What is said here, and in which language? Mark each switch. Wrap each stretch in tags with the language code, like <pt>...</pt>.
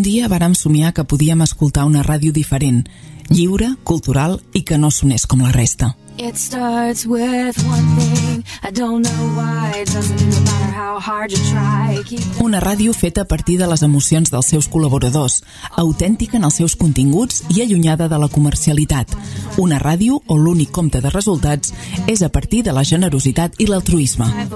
<ca>Vàrem somiar que podíem escoltar una ràdio diferent, lliure, cultural i que no sonés com la resta.</ca> <en>It starts with one thing, I don't know why, it doesn't matter how hard you try.</en> <ca>Una ràdio feta a partir de les emocions dels seus col·laboradors, autèntica en els seus continguts i allunyada de la comercialitat. Una ràdio on l'únic compte de resultats és a partir de la generositat i l'altruisme.</ca>